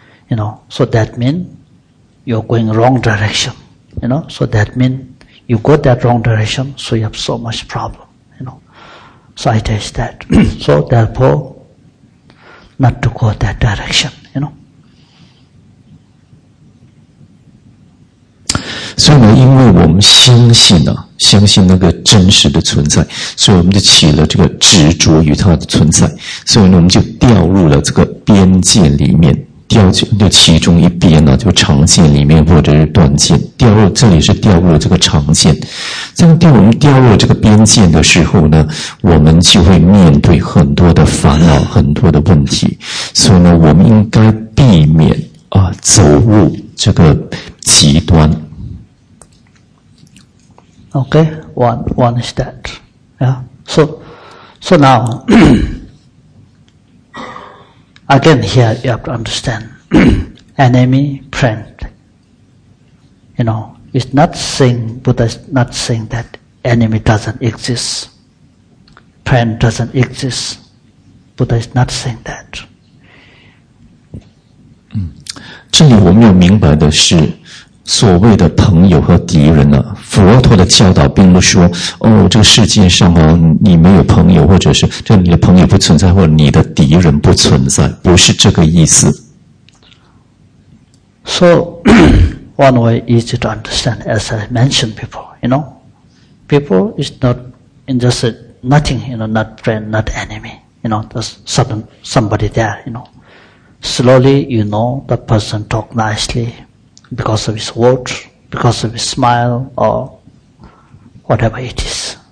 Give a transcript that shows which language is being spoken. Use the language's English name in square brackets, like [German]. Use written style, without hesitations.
[English] you know, so that means you're going wrong direction, you know, so that means you go that wrong direction, so you have so much problem, you know, so I test that, so therefore, not to go that direction, you know. [Chinese] 所以呢，因为我们相信呢，相信那个真实的存在，所以我们就起了这个执着于它的存在，所以呢，我们就掉入了这个边界里面，掉就其中一边呢，就常见里面或者是断见，掉入这里是掉入了这个常见。这样我们掉入了这个边界的时候呢，我们就会面对很多的烦恼，很多的问题。所以呢，我们应该避免啊走入这个极端。 [English] Okay, one is that. Yeah. So, So now, again here you have to understand, enemy, friend. You know, it's not saying, Buddha is not saying that enemy doesn't exist, friend doesn't exist. Buddha is not saying that. [Chinese] 这里我们要明白的是，所谓的朋友和敌人呢、啊？佛陀的教导并不说，哦，这个世界上哦，你没有朋友，或者是这你的朋友不存在，或者你的敌人不存在，不是这个意思。 [English] So one way is to understand, as I mentioned before, you know, people is not in just a nothing, you know, not friend, not enemy, you know, there's sudden somebody there, you know. Slowly, you know, the person talk nicely because of his words, because of his smile, or whatever it is.